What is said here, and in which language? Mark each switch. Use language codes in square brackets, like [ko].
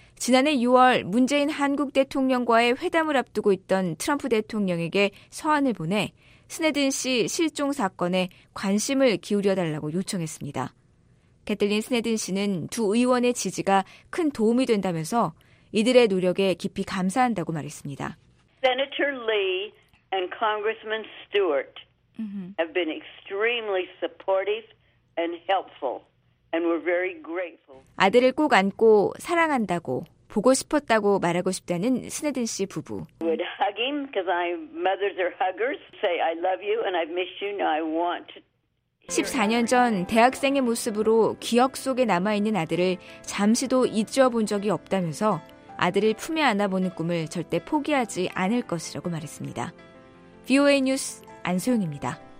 [ko] 지난해 6월 문재인 한국 대통령과의 회담을 앞두고 있던 트럼프 대통령에게 서한을 보내 스네든 씨 실종 사건에 관심을 기울여달라고 요청했습니다. 캐틀린 스네든 씨는 두 의원의 지지가 큰 도움이 된다면서 이들의 노력에 깊이 감사한다고 말했습니다. [en] Senator Lee and Congressman Stewart have been extremely supportive and helpful. And we're very grateful. [ko] 아들을 꼭 안고 사랑한다고 보고 싶었다고 말하고 싶다는 스네든 씨 부부. [en] Would hug him because my mothers are huggers. Say I love you and I've missed you. Now I want to. [ko] 14년 전 대학생의 모습으로 기억 속에 남아 있는 아들을 잠시도 잊어본 적이 없다면서 아들을 품에 안아보는 꿈을 절대 포기하지 않을 것이라고 말했습니다. VOA 뉴스 안소영입니다.